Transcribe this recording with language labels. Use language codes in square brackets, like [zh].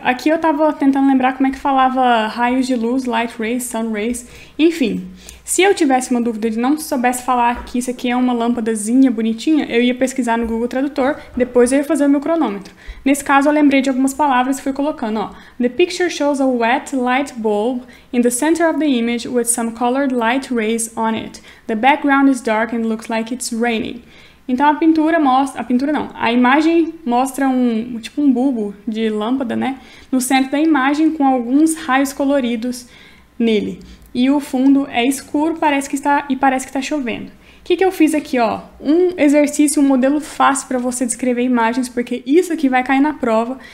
[pt] Aqui eu estava tentando lembrar como é que falava raios de luz, [en] light rays, sun rays, [pt] enfim. Se eu tivesse uma dúvida de não soubesse falar que isso aqui é uma lâmpadazinha bonitinha, eu ia pesquisar no Google Tradutor, depois eu ia fazer o meu cronômetro. Nesse caso eu lembrei de algumas palavras e fui colocando, ó. [en] The picture shows a wet light bulb in the center of the image with some colored light rays on it. The background is dark and looks like it's raining. [pt] Então a pintura mostra, a pintura não, a imagem mostra um bulbo de lâmpada, né, no centro da imagem com alguns raios coloridos nele. E o fundo é escuro, parece que está chovendo. O que eu fiz aqui, ó? Um exercício, um modelo fácil para você descrever imagens, porque isso aqui vai cair na prova.